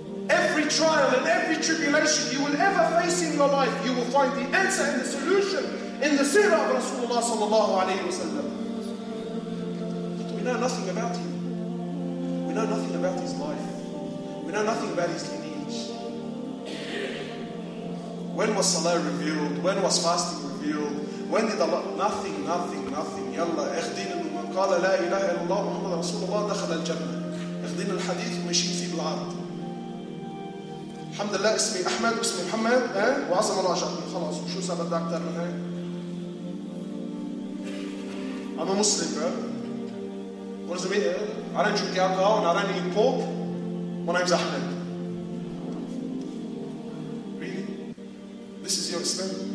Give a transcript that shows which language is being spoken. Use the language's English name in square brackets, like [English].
[English] Every trial and every tribulation you will ever face in your life, you will find the answer and the solution in the seerah of Rasulullah sallallahu alayhi wa sallam. But we know nothing about him. We know nothing about his life. We know nothing about his lineage. When was Salah revealed? When was fasting revealed? When did Allah... Nothing. [Arabic] Yalla, اخدين من قال لا إله إلا الله محمد رسول الله دخل الجنة. اخدين الحديث ومشين فيه بالعرض. الحمد لله اسمي أحمد واسمي محمد وعظم الله أجرني. خلاص وشو سبب أكثر من هاي؟ أنا مسلم [English] What does it mean? I don't drink alcohol and I don't eat pork. My name's Ahmed. Really? This is your Islam?